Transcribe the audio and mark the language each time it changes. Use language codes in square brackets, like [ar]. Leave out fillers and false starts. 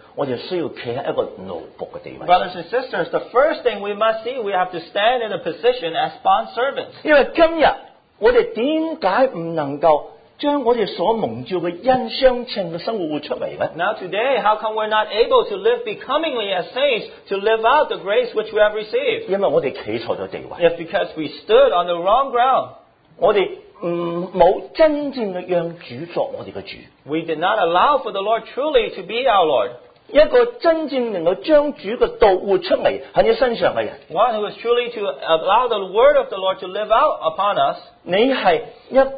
[en] brothers and sisters, the first thing we must see, we have to stand in a position as bond servants. [zh] 因为今天我们为什么不能够 [en] Now today, how come we're not able to live becomingly as saints, to live out the grace which we have received? [zh] 因为我们站错了地位, [en] it's because we stood on the wrong ground. [zh] 我们没有真正地让主作我们的主, [en] we did not allow for the Lord truly to be our Lord. [zh] 一个真正能够将主的道活出来在你身上的人, [en] one who is truly to allow the word of the Lord to live out upon us,